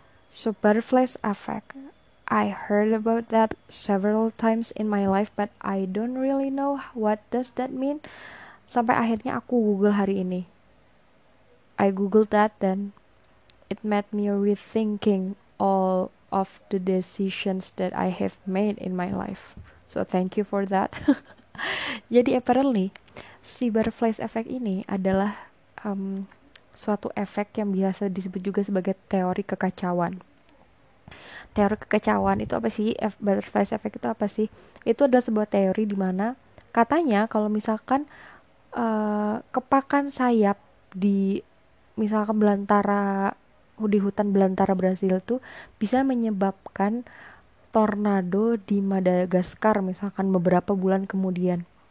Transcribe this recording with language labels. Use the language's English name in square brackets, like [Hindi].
[English] So butterflies effect, I heard about that several times in my life, but I don't really know what does that mean. [Indonesian] Sampai akhirnya aku Google hari ini. [English] I Googled that, then it made me rethinking all of the decisions that I have made in my life. So thank you for that. [Indonesian] Jadi apparently si butterfly effect ini adalah suatu efek yang biasa disebut juga sebagai teori kekacauan. Teori kekacauan itu apa sih? Butterfly effect itu apa sih? Itu adalah sebuah teori di mana katanya kalau misalkan kepakan sayap di misalkan belantara di hutan belantara Brasil itu bisa menyebabkan tornado di Madagaskar misalkan beberapa bulan kemudian.